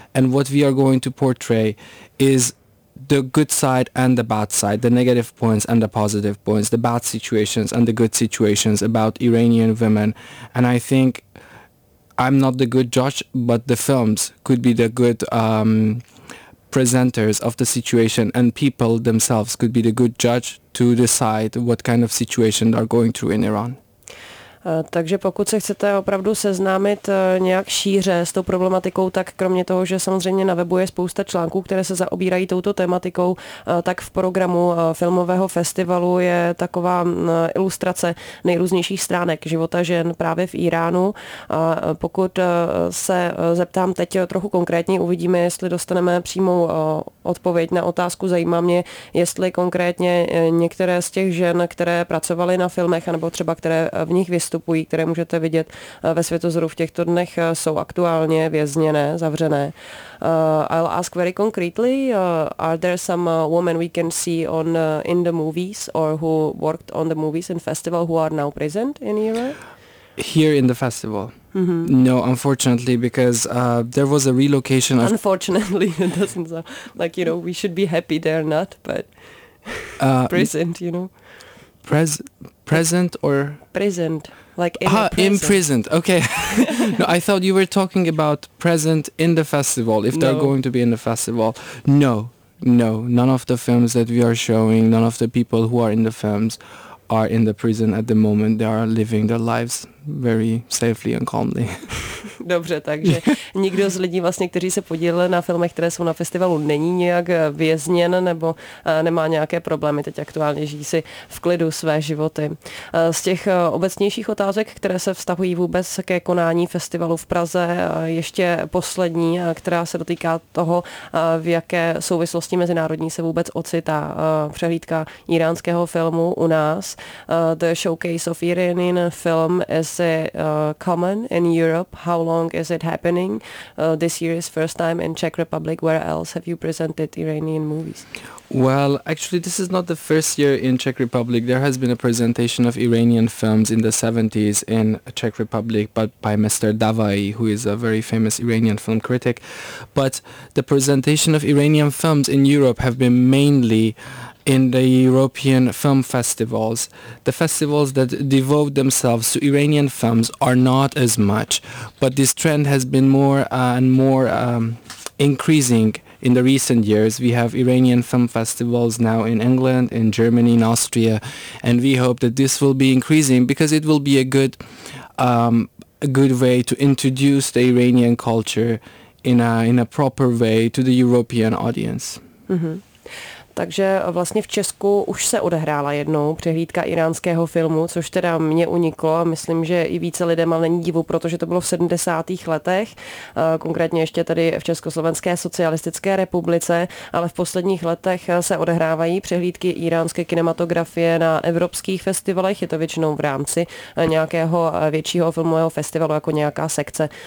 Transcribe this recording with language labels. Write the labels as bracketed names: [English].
[English] And what we are going to portray is the good side and the bad side, the negative points and the positive points, the bad situations and the good situations about Iranian women. And I think I'm not the good judge, but the films could be the good presenters of the situation, and people themselves could be the good judge to decide what kind of situation they are going through in Iran. [Czech] Takže pokud se chcete opravdu seznámit nějak šíře s tou problematikou, tak kromě toho, že samozřejmě na webu je spousta článků, které se zaobírají touto tematikou, tak v programu filmového festivalu je taková ilustrace nejrůznějších stránek života žen právě v Iránu. Pokud se zeptám teď trochu konkrétně, uvidíme, jestli dostaneme přímou odpověď na otázku. Zajímá mě, jestli konkrétně některé z těch žen, které pracovaly na filmech, nebo třeba které v nich vystupují, které můžete vidět ve Světozoru v těchto dnech, jsou aktuálně vězněné, zavřené. [English] I'll ask very concretely, are there some women we can see on in the movies or who worked on the movies in festival who are now present in Iran? here in the festival. Mm-hmm. No, unfortunately, because there was a relocation. Unfortunately, it doesn't sound like, you know, we should be happy they're not, but present, you know. Present or? Present, like in present. Imprisoned, okay. No, I thought you were talking about present in the festival, if they're going to be in the festival. No, none of the films that we are showing, none of the people who are in the films are in the prison at the moment. They are living their lives very safely and calmly. [Czech] Dobře, takže nikdo z lidí vlastně, kteří se podíleli na filmech, které jsou na festivalu, není nějak vězněn nebo nemá nějaké problémy, teď aktuálně žijí si v klidu své životy. Z těch obecnějších otázek, které se vztahují vůbec ke konání festivalu v Praze, ještě poslední, která se dotýká toho, v jaké souvislosti mezinárodní se vůbec ocitá přehlídka íránského filmu u nás. [English] The Showcase of Iranian Film is common in Europe. How long is it happening? This year is first time in Czech Republic. Where else have you presented Iranian movies? Well, actually, this is not the first year in Czech Republic. There has been a presentation of Iranian films in the 70s in Czech Republic, but by Mr. Davai, who is a very famous Iranian film critic. But the presentation of Iranian films in Europe have been mainly in the European film festivals. The festivals that devote themselves to Iranian films are not as much, but this trend has been more and more increasing in the recent years. We have Iranian film festivals now in England, in Germany, in Austria, and we hope that this will be increasing because it will be a good way to introduce the Iranian culture in a proper way to the European audience. Mm-hmm. [Czech] Takže vlastně v Česku už se odehrála jednou přehlídka iránského filmu, což teda mě uniklo a myslím, že i více lidem, ale není divu, protože to bylo v 70. letech, konkrétně ještě tady v Československé socialistické republice, ale v posledních letech se odehrávají přehlídky iránské kinematografie na evropských festivalech, je to většinou v rámci nějakého většího filmového festivalu jako nějaká sekce.